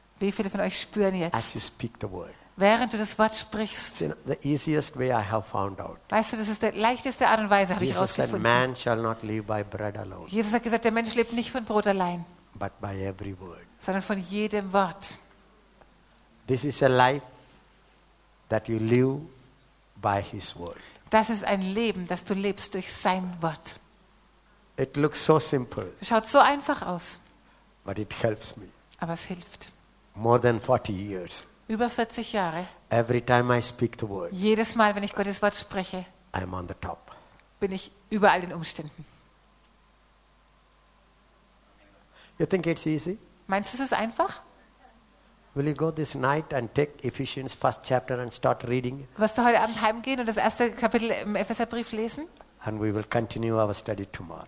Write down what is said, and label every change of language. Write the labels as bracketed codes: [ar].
[de] Wie viele von euch spüren jetzt? [en] As you speak the word. [de] Während du das Wort sprichst. [en] You know, the easiest way I have found out. [de] Weißt du, das ist der leichteste Art und Weise, habe ich herausgefunden. [en] Jesus said, man shall not live by bread alone. [de] Jesus hat gesagt, der Mensch lebt nicht von Brot allein. [en] But by every word. [de] Sondern von jedem Wort. [en] This is a life that you live by His word. [de] Das ist ein Leben, das du lebst durch sein Wort. [en] It looks so simple. [de] Schaut so einfach aus. [en] But it helps me. [de] Aber es hilft. [en] More than 40 years. [de] Über 40 Jahre. [en] Every time I speak the word. [de] Jedes Mal, wenn ich Gottes Wort spreche. [en] I'm on the top. [de] Bin ich über all den Umständen. [en] You think it's easy? [de] Meinst du, es ist einfach? [en] Will you go this night and take Ephesians first chapter and start reading? [de] Wirst du heute Abend heimgehen und das erste Kapitel im Epheserbrief lesen? [en] And we will continue our study tomorrow.